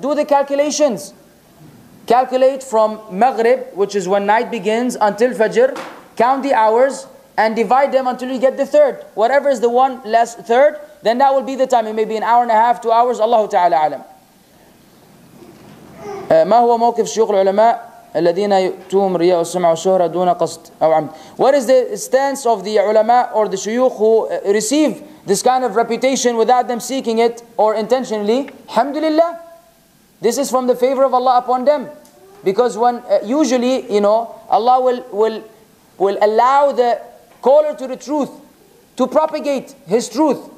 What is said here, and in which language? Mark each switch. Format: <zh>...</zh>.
<en>Do the calculations. Calculate from Maghrib, which is when night begins, until Fajr. Count the hours and divide them until you get the third. Whatever is the one less third, then that will be the time. It may be an hour and a half, 2 hours. Allahu Ta'ala alam.</en> <ar>ما هو موقف شيوخ العلماء الذين يؤتون رياء السمع والشهرة دون قصد أو عمد?</ar> <en>What is the stance of the ulama or the shuyukh who receive this kind of reputation without them seeking it or intentionally? Alhamdulillah. This is from the favor of Allah upon them. Because when usually, you know, Allah will allow the caller to the truth to propagate his truth.</en>